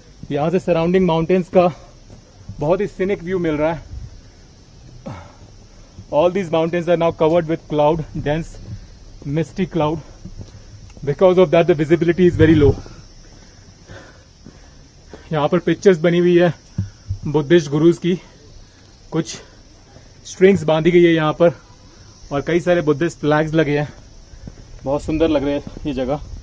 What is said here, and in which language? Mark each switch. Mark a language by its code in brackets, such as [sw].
[hi] यहां से surrounding mountains का बहुत ही सीनिक व्यू मिल रहा है। [en] All these mountains are now covered with cloud, dense misty cloud. Because of that, the visibility is very low. [hi] यहाँ पर pictures बनी हुई है बुद्धिस्ट गुरुज की, कुछ स्ट्रिंग्स बांधी गई है यहाँ पर और कई सारे बुद्धिस्ट फ्लैग्स लगे हैं। बहुत सुंदर लग रहे हैं ये जगह।